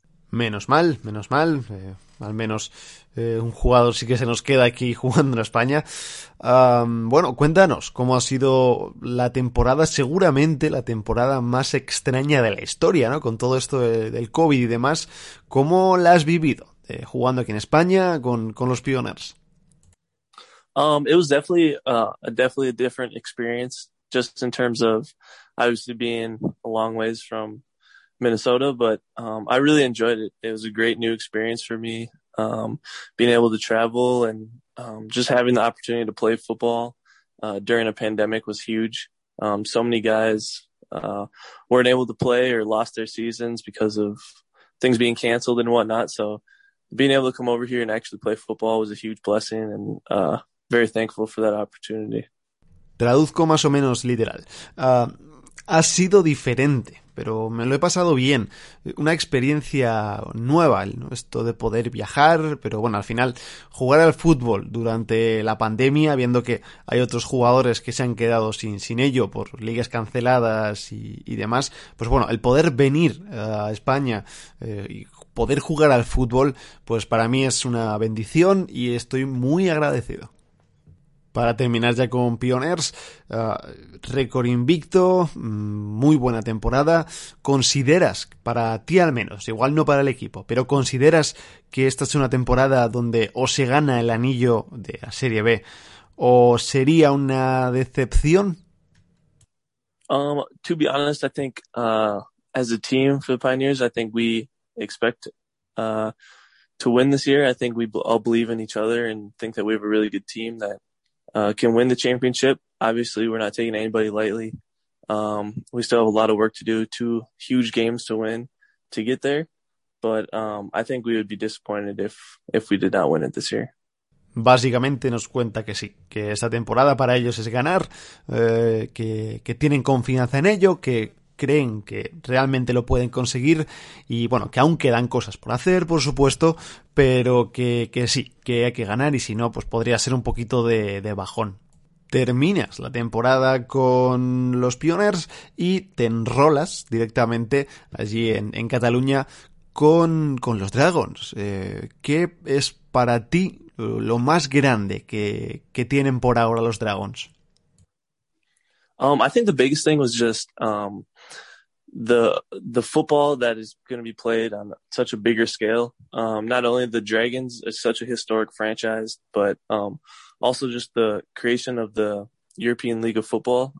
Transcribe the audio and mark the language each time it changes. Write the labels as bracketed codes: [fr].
[es] Menos mal, al menos un jugador sí que se nos queda aquí jugando en España. Bueno, cuéntanos cómo ha sido la temporada, seguramente la temporada más extraña de la historia, ¿no? Con todo esto del COVID y demás, ¿cómo la has vivido jugando aquí en España con los Pioneers? [en] It was definitely a different experience, just in terms of obviously being a long ways from Minnesota, but I really enjoyed it. It was a great new experience for me, being able to travel and just having the opportunity to play football during a pandemic was huge. So many guys weren't able to play or lost their seasons because of things being canceled and whatnot. So being able to come over here and actually play football was a huge blessing and very thankful for that opportunity. [es] Traduzco más o menos literal. Ha sido diferente, pero me lo he pasado bien. Una experiencia nueva, ¿no? Esto de poder viajar, pero bueno, al final, jugar al fútbol durante la pandemia, viendo que hay otros jugadores que se han quedado sin ello por ligas canceladas y demás, pues bueno, el poder venir a España y poder jugar al fútbol, pues para mí es una bendición y estoy muy agradecido. Para terminar ya con Pioneers, récord invicto, muy buena temporada. ¿Consideras, para ti al menos, igual no para el equipo, pero consideras que esta es una temporada donde o se gana el anillo de la Serie B o sería una decepción? [en] To be honest, I think as a team for the Pioneers, I think we expect to win this year. I think we all believe in each other and think that we have a really good team that can win the championship. Obviously, we're not taking anybody lightly. We still have a lot of work to do, two huge games to win to get there. But I think we would be disappointed if we did not win it this year. [es] Básicamente nos cuenta que sí, que esta temporada para ellos es ganar, que tienen confianza en ello, que creen que realmente lo pueden conseguir y bueno, que aún quedan cosas por hacer, por supuesto, pero que sí, que hay que ganar y si no, pues podría ser un poquito de bajón. Terminas la temporada con los Pioneers y te enrolas directamente allí en Cataluña con los Dragons. ¿Qué es para ti lo más grande que tienen por ahora los Dragons? [en] I think the biggest thing was just the football that is going to be played on such a bigger scale. Not only the Dragons is such a historic franchise, but also just the creation of the European League of Football.